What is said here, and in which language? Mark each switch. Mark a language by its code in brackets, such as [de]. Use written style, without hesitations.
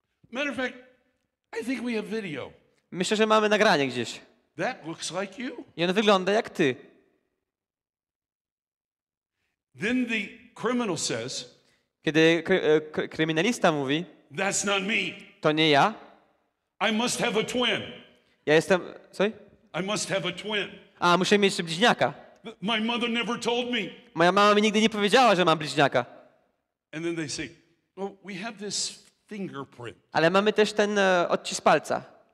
[en] Matter of fact, I think we have video. [pl] Myślę, że mamy nagranie gdzieś. [en] That looks like you. [pl] I on wygląda jak ty. [en] Then the criminal says. [pl] Kiedy kryminalista mówi. [en] That's not me. [pl] To nie ja. [en] I must have a twin. [pl] Ja jestem. Sorry? [en] I must have a twin. [pl] A muszę mieć bliźniaka. [en] My mother never told me. [pl] Moja mama mi nigdy nie powiedziała, że mam bliźniaka. [en] And then they say, well, we have this fingerprint. [pl] Ale mamy też ten odcisk palca.